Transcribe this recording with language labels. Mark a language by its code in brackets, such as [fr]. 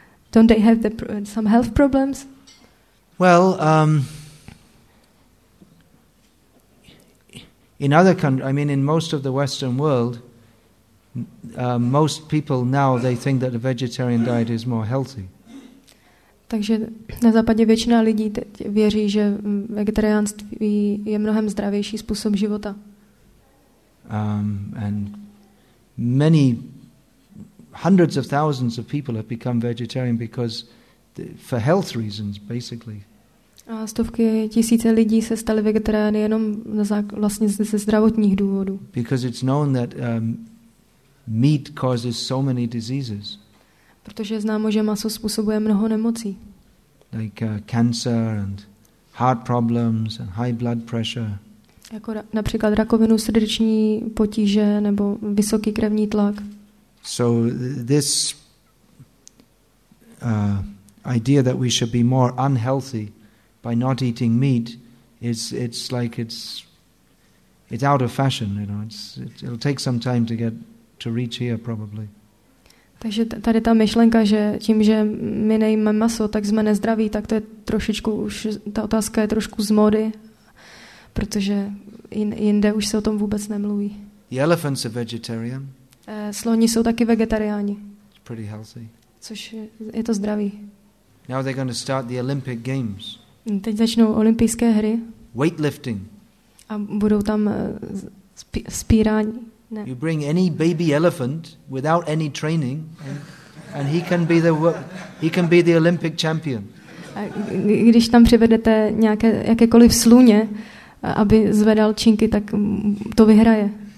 [en] Don't they have some health problems? Well, in other countries, I mean, in most of the Western world, most people now, they think that a vegetarian diet is more healthy. [cs] Takže na západě většina lidí teď věří, že vegetariánství je mnohem zdravější způsob života. [en] And many hundreds of thousands of people have become vegetarian because for health reasons basically. [cs] A stovky tisíce lidí se staly vegetariány jenom vlastně ze zdravotních důvodů. [en] Because it's known that meat causes so many diseases. [cs] Protože je známo, že maso způsobuje mnoho nemocí. [en] Like cancer and heart problems and high blood pressure. [cs] Jako například rakovinu srdeční potíže nebo vysoký krevní tlak. [en] So this idea that we should be more unhealthy by not eating meat is it's out of fashion, you know. It'll take some time to get to reach here probably. [cs] Takže tady ta myšlenka, že tím, že my nejíme maso, tak jsme nezdraví, tak to je trošičku už, ta otázka je trošku z mody, protože jinde už se o tom vůbec nemluví. [en] The elephants are vegetarian. [cs] Sloni jsou taky vegetariáni. [en] It's pretty healthy. [cs] Což je to zdraví. [en] Now they're going to start the Olympic Games. [cs] Teď začnou olympijské hry. [en] Weightlifting. [cs] A budou tam spírání. Ne. [en] You bring any baby elephant without any training and he can be the Olympic champion. [cs] Když tam přivedete nějaké jakékoliv sluně, aby zvedal činky, tak to vyhraje.